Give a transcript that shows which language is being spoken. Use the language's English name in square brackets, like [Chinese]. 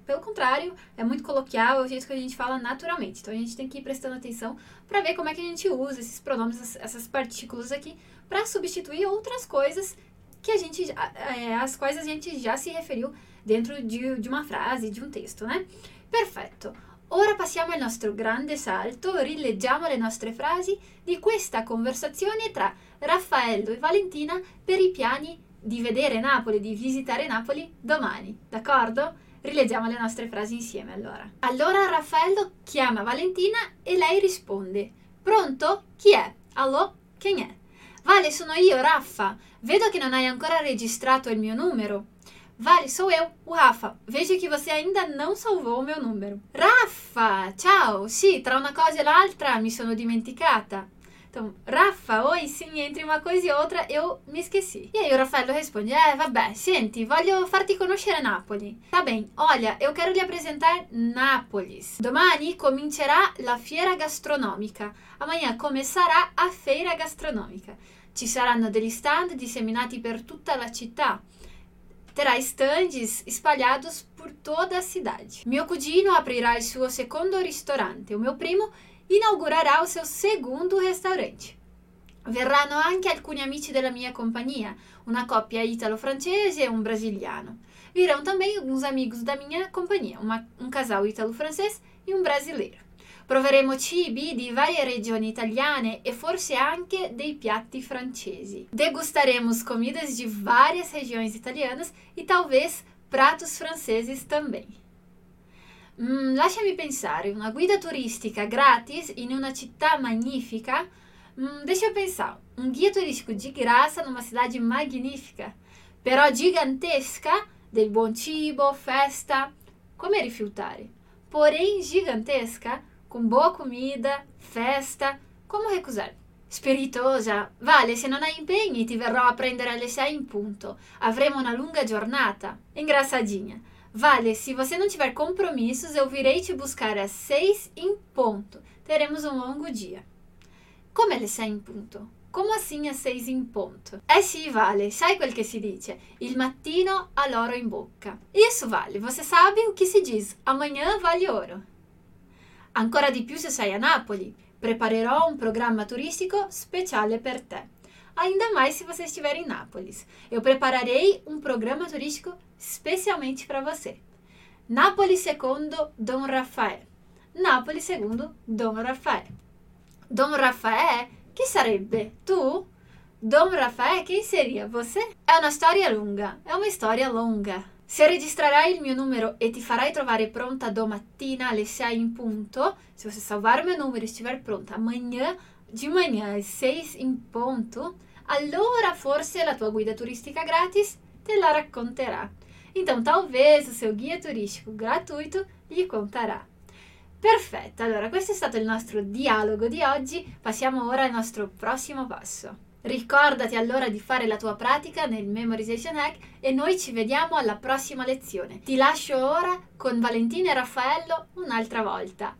[Portuguese] Pelo contrário, é muito coloquial, é o jeito que a gente fala naturalmente. Então a gente tem que ir prestando atenção para ver como é que a gente usa esses pronomes, essas partículas aqui, para substituir outras coisas que a gente às quais a gente já se referiu dentro de uma frase, de um texto, né? Perfeito. [Italian] Ora passiamo al nostro grande salto, rileggiamo le nostre frasi di questa conversazione tra Raffaello e Valentina per i piani di vedere Napoli, di visitare Napoli domani, d'accordo? Rileggiamo le nostre frasi insieme allora. Allora Raffaello chiama Valentina e lei risponde: pronto? Chi è? Allo? Chi è? Vale, sono io, Raffa. Vedo che non hai ancora registrato il mio numero. [Portuguese] Vale, sou eu, o Rafa. Vejo que você ainda não salvou o meu número. [Italian] Raffa, ciao. Sì, tra una cosa e l'altra mi sono dimenticata. [Portuguese] Então, Raffa, oi, sim, entre uma coisa e outra eu me esqueci. E aí o Raffaello responde: [Italian] vabbè, senti, voglio farti conoscere Napoli. [Portuguese] Tá bem, olha, eu quero lhe apresentar Nápoles. [Italian] Domani comincerà la fiera gastronomica. [Portuguese] Amanhã começará a feira gastronomica. [Italian] Ci saranno degli stand disseminati per tutta la città. [Portuguese] Terá estandes espalhados por toda a cidade. Meu cugino abrirá o seu segundo restaurante. O meu primo inaugurará o seu segundo restaurante. [Italian] Verranno anche alcuni amici della mia compagnia, una coppia italo-francese e un brasiliano. [Portuguese] Virão também alguns amigos da minha companhia, um casal italo-francese e um brasileiro. [Italian] Proveremo cibi di varie regioni italiane e forse anche dei piatti francesi. [Portuguese] Degustaremos comidas de várias regiões italianas e talvez pratos franceses também. [Italian] Lasciami pensare, una guida turistica gratis in una città magnifica? [Portuguese] Deixa eu pensar, um guia turístico de graça numa cidade magnífica, [Italian] però gigantesca, del buon cibo, festa, come rifiutare? [Portuguese] Porém gigantesca, com boa comida, festa, como recusar? [Italian] Spiritosa, vale, se non hai impegni ti verrò a prendere alle 6 in punto. Avremo una lunga giornata. [Portuguese] Engraçadinha. Vale, se você não tiver compromissos, eu virei te buscar às 6 em ponto. Teremos um longo dia. Como ele sai em ponto? Como assim às 6 em ponto? Sim, vale, [Italian] sai quel que se dice? Il mattino ha l'oro in bocca. [Portuguese] Isso vale, você sabe o que se diz? Amanhã vale ouro. [Italian] Ancora di più se sei a Napoli. Preparerò un programma turistico speciale per te. [Portuguese] Ainda mais se você estiver em Nápoles. Eu prepararei um programa turístico especialmente para você. Nápoles segundo Dom Rafael. Nápoles segundo Dom Rafael. Dom Rafael, [Italian] que sarebbe? Tu? [Portuguese] Dom Rafael, quem seria? Você? É uma história longa. [Italian] É uma história longa. Se registrarai il mio numero e ti farai trovare pronta domattina alle 6 in punto, [Portuguese] se você salvar o meu número e estiver pronta amanhã, de manhã, às 6 [Italian] in punto, allora forse la tua guida turistica gratis te la racconterà. [Portuguese] Então, talvez o seu guia turístico gratuito gli contará. [Italian] Perfetto, allora questo è stato il nostro dialogo di oggi, passiamo ora al nostro prossimo passo. Ricordati allora di fare la tua pratica nel Memorization Hack e noi ci vediamo alla prossima lezione. Ti lascio ora con Valentina e Raffaello un'altra volta.